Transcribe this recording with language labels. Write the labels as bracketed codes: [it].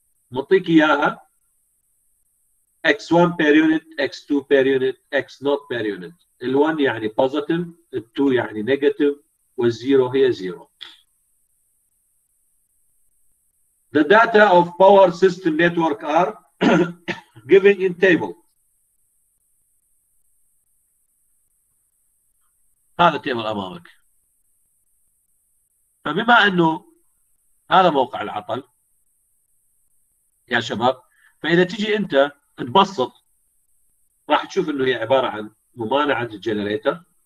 [ar] معطيك اياها [en] X1 per unit, X2 per unit, X0 per unit. [ar] ال1 يعني positive، ال2 يعني negative، وال0 هي 0. [en] The data of power system network are given in table. [ar] هذا table أمامك. فبما أنه هذا موقع العطل يا شباب، فإذا تجي أنت تبسط راح تشوف انه هي عباره عن ممانعه الجنريتر.